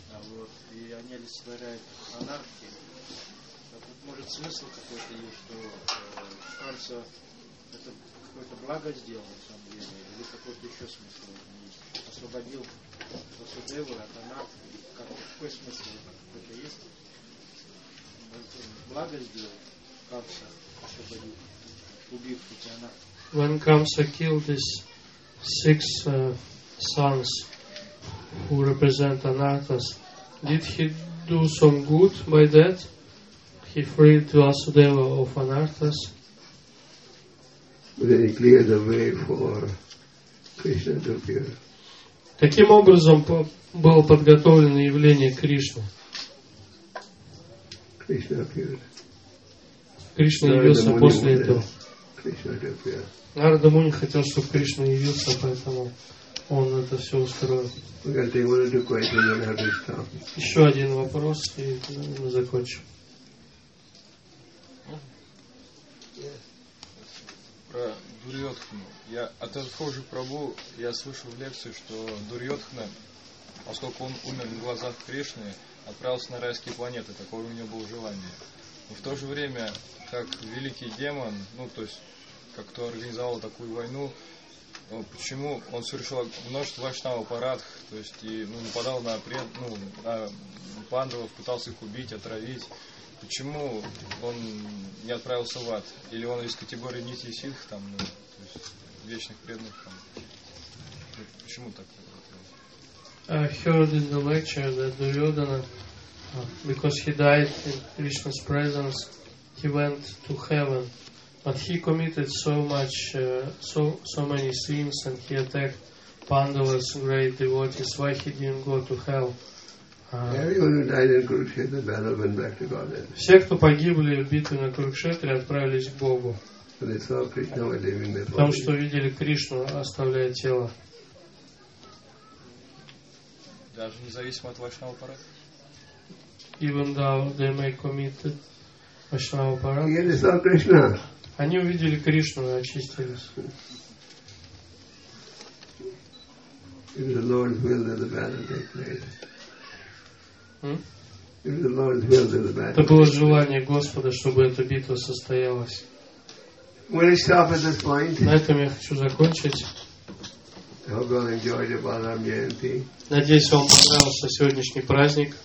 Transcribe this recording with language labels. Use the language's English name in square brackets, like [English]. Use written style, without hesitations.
[Russian] Вот, и они олицетворяют анархию. Тут, может, смысл какой-то есть, что Камса это какое-то благо сделал, на самом деле, или какой-то еще смысл? Освободил Васудеву от анархии. Какой смысл какой-то есть? Благо сделал Камса, освободил, убив эти анархии. [English] When Камса killed this 6 sons who represent Anartas, did he do some good by that? He freed Vasudeva of Anartas? they clear the way for Krishna to appear. [Russian] Таким образом было подготовлено явление Кришны. [English] Krishna appeared. [Russian] Кришна явился после этого. Нарада Муни хотел, чтобы Кришна явился, поэтому он это все устроил. Еще один вопрос, и мы закончим. Про Дурьотхану. Я от Адхожи Прабу я слышал в лекции, что Дурьотхана, поскольку он умер на глазах Кришны, отправился на райские планеты. Такое у него было желание. Но в то же время, как великий демон, ну, то есть как кто организовал такую войну, почему он совершил множество вайшнава парадх, то есть и, ну, нападал на, ну, на пандавов, пытался их убить, отравить. Почему он не отправился в ад? Или он из категории нити ситх, там, ну, то есть вечных преданных там? Почему так? [English] I heard in the lecture that Duryodhana, because he died in Krishna's presence, he went to heaven. But he committed so many sins, and he attacked Pandavas, great devotees. Why he didn't go to hell? Everyone who died in Kurukshetra battle went back to Godhead. [Russian] Все, кто погибли в битве на Курукшетре, отправились к Богу. [English] They saw Krishna leaving their body. [Russian] Там, что видели Кришну, оставляя тело. Даже независимо от вайшнава парада. [English] Even though they may commit вайшнава парада. Yeah, they saw Krishna. [Russian] Они увидели Кришну и очистились. [English] If the Lord's will, then the battle takes place. If the Lord's will, then the battle. [Russian] Это было желание Господа, чтобы эта битва состоялась. [English] Will you stop at this point? [Russian] На этом я хочу закончить. [English] I hope you all enjoyed the Balaram Jayanti. [Russian] Надеюсь, вам понравился сегодняшний праздник.